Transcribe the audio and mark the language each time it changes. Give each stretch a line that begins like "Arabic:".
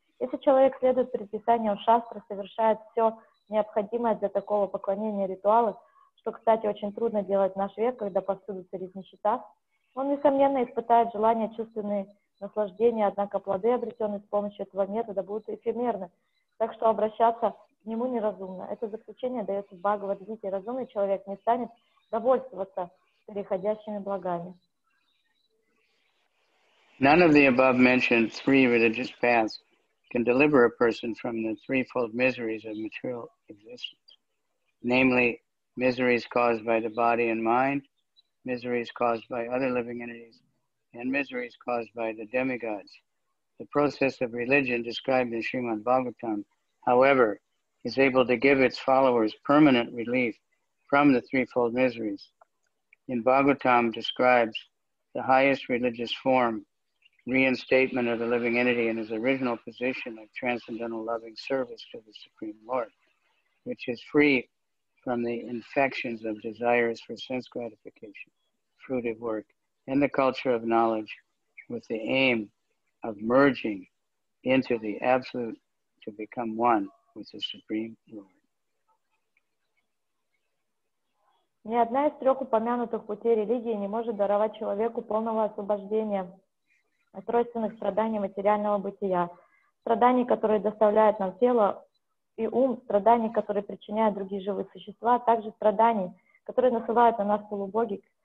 Russian: Если человек следует предписаниям шастры, совершает все необходимое для такого поклонения ритуалов, что, кстати, очень трудно делать в наш век, когда повсюду царит нищета, он, несомненно, испытает желание чувственные наслаждения, однако плоды, обретенные с помощью этого метода, будут эфемерны, так что обращаться к нему неразумно. Это заключение дается в Бхагавад-гите. Разумный человек не станет довольствоваться переходящими благами.
English: None of the above mentioned three religious paths can deliver a person from the threefold miseries of material existence, namely, miseries caused by the body and mind, miseries caused by other living entities, and miseries caused by the demigods. The process of religion described in Srimad Bhagavatam, however, is able to give its followers permanent relief from the threefold miseries. In Bhagavatam describes the highest religious form, reinstatement of the living entity in his original position of transcendental loving service to the Supreme Lord, which is free from the infections of desires for sense gratification, fruitive work, and the culture of knowledge with the aim of merging into the absolute to become one with the Supreme Lord.
Russian: Ни одна из трех упомянутых путей религии не может даровать человеку полного освобождения от тройственных страданий материального бытия, страданий, которые доставляют нам тело и ум, страданий, которые причиняют другие живые существа, а также страданий, которые называют на нас полубоги.